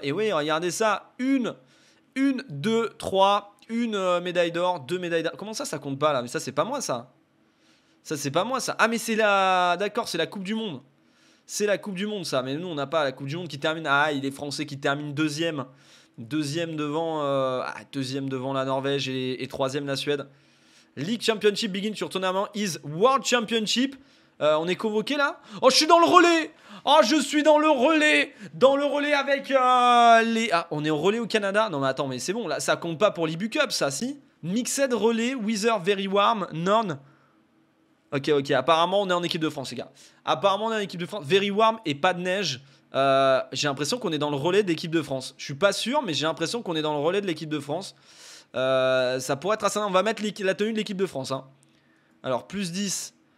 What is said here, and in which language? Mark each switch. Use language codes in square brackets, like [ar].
[fr] Et oui, regardez ça. Une, deux, trois, une médaille d'or, deux médailles d'or. Comment ça, ça compte pas, là? Mais ça, c'est pas moi, ça. Ça, c'est pas moi, ça. Ah, mais c'est la... D'accord, c'est la Coupe du Monde. C'est la Coupe du Monde, ça. Mais nous, on n'a pas la Coupe du Monde qui termine. Ah, il est français qui termine deuxième. Deuxième devant, deuxième devant la Norvège et troisième la Suède. [en] League Championship begins your tournament is World Championship. [fr] On est convoqué là. Oh, je suis dans le relais. Oh, je suis dans le relais. Dans le relais avec les. Ah, on est au relais au Canada. Non, mais attends, mais c'est bon. Là, ça compte pas pour l'Ibu Cup, ça, si. [en] Mixed relais, weather very warm, none. [fr] Ok, ok, apparemment on est en équipe de France, les gars. Apparemment on est en équipe de France. [en] Very warm [fr] et pas de neige. J'ai l'impression qu'on est dans le relais d'équipe de France. Je suis pas sûr, mais j'ai l'impression qu'on est dans le relais de l'équipe de France. Ça pourrait être assez. On va mettre la tenue de l'équipe de France. Hein. Alors, plus 10.